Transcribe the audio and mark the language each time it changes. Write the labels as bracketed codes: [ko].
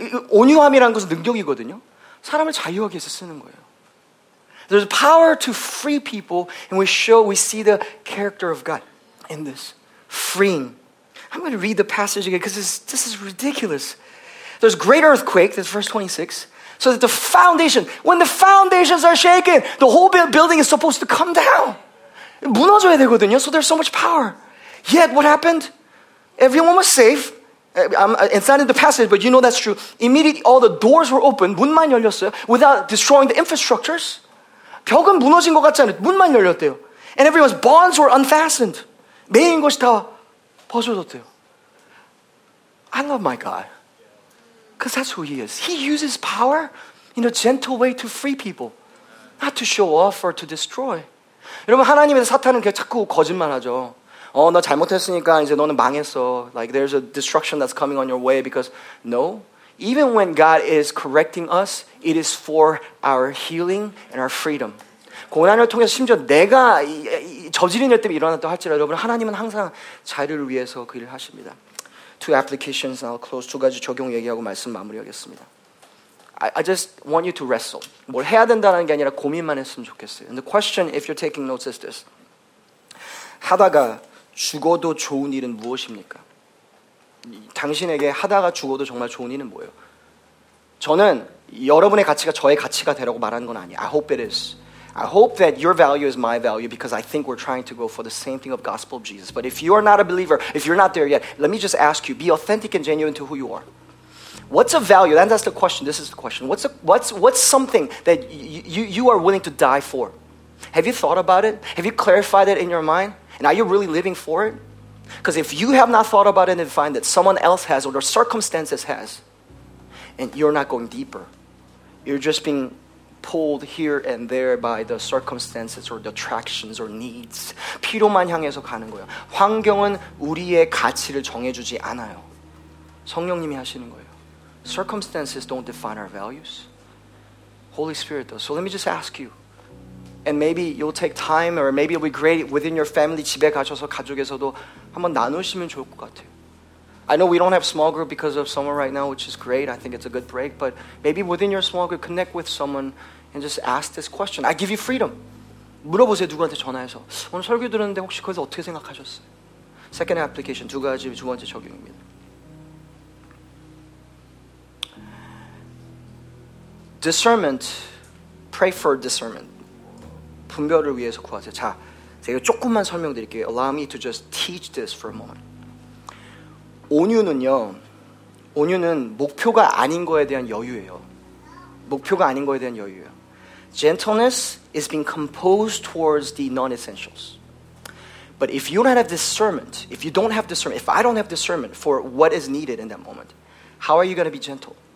[ko] 온유함이라는 것은 능력이거든요. 사람을 자유하게 해서 쓰는 거예요. [en] There's power to free people, and we see the character of God in this freeing. I'm going to read the passage again because this is ridiculous. There's great earthquake, that's verse 26, so that the foundation, when the foundations are shaken, the whole building is supposed to come down. [ko] 무너져야 되거든요, [en] so there's so much power. Yet, what happened? Everyone was safe. It's not in the passage, but you know that's true. Immediately, all the doors were open, [ko] 문만 열렸어요, [en] without destroying the infrastructures. [ko] 벽은 무너진 것 같지 않아요. 문만 열렸대요. [en] And everyone's bonds were unfastened. [ko] 매인 것이 다 벗어졌대요. [en] I love my God. Because that's who he is. He uses power in a gentle way to free people. Not to show off or to destroy. [ko] 여러분 하나님의 사탄은 자꾸 거짓말하죠. 너 잘못했으니까 이제 너는 망했어. [en] Like there's a destruction that's coming on your way. Because no. Even when God is correcting us, it is for our healing and our freedom. [ko] 고난을 통해서 심지어 내가 저지른 일 때문에 일어났다 할지라도 여러분 하나님은 항상 자유를 위해서 그 일을 하십니다. [en] Two applications, I'll close. [ko] 두 가지 적용 얘기하고 말씀 마무리하겠습니다. [en] I just want you to wrestle. [ko] 뭘 해야 된다는 게 아니라 고민만 했으면 좋겠어요. [en] And the question, if you're taking notes, is this. [ko] 하다가 죽어도 좋은 일은 무엇입니까? 당신에게 하다가 죽어도 정말 좋은 일은 뭐예요? 저는 여러분의 가치가 저의 가치가 되라고 말하는 건 아니에요. [en] I hope it is. I hope that your value is my value because I think we're trying to go for the same thing of gospel of Jesus. But if you are not a believer, if you're not there yet, let me just ask you, be authentic and genuine to who you are. What's a value? That's the question. This is the question. What's something that you are willing to die for? Have you thought about it? Have you clarified it in your mind? And are you really living for it? Because if you have not thought about it and find that someone else has or their circumstances has, and you're not going deeper, you're just being pulled here and there by the circumstances or the attractions or needs. [ko] 필요만 향해서 가는 거예요. 환경은 우리의 가치를 정해주지 않아요. 성령님이 하시는 거예요. [en] Circumstances don't define our values. Holy Spirit does. So let me just ask you, and maybe you'll take time or maybe it'll be great within your family, [ko] 집에 가셔서 가족에서도 한번 나누시면 좋을 것 같아요. [en] I know we don't have small group because of summer right now, which is great. I think it's a good break. But maybe within your small group, connect with someone and just ask this question. I give you freedom. [ko] 물어보세요, 누구한테 전화해서. 오늘 설교 들었는데 혹시 거기서 어떻게 생각하셨어요? [en] Second application, [ko] 두 가지, 두 번째 적용입니다. [en] Discernment, pray for discernment. [ko] 분별을 위해서 구하세요. 자, 제가 조금만 설명드릴게요. [en] Allow me to just teach this for a moment. [ko] 온유는요, 온유는 목표가 아닌 거에 대한 여유예요. 목표가 아닌 거에 대한 여유예요. [en] Gentleness is being composed towards the non-essentials. But if you don't have discernment, if you don't have discernment, if I don't have discernment for what is needed in that moment, how are you going to be gentle?